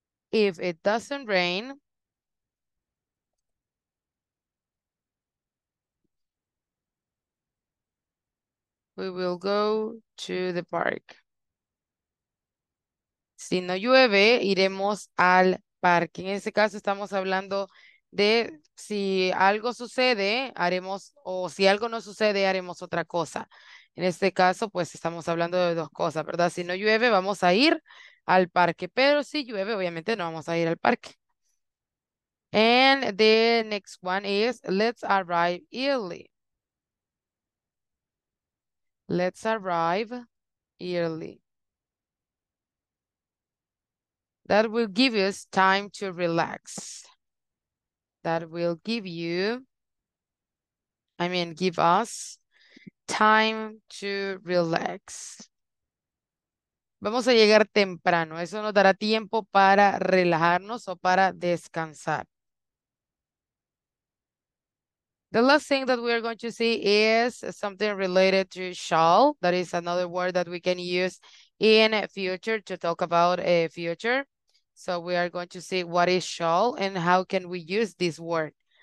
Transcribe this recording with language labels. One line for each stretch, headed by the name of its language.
English: If it doesn't rain, we will go to the park.
Spanish: Si no llueve, iremos al parque. En este caso estamos hablando de si algo sucede, haremos, o si algo no sucede, haremos otra cosa. En este caso, pues estamos hablando de dos cosas, ¿verdad? Si no llueve, vamos a ir al parque. Pero si llueve, obviamente no vamos a ir al parque.
English: And the next one is, let's arrive early. Let's arrive early. That will give us time to relax. That will give you, I mean, give us time to relax.
Spanish: Vamos a llegar temprano. Eso nos dará tiempo para relajarnos o para descansar.
English: The last thing that we are going to see is something related to shall. That is another word that we can use in future to talk about a future. So we are going to see what is shall and how can we use this word.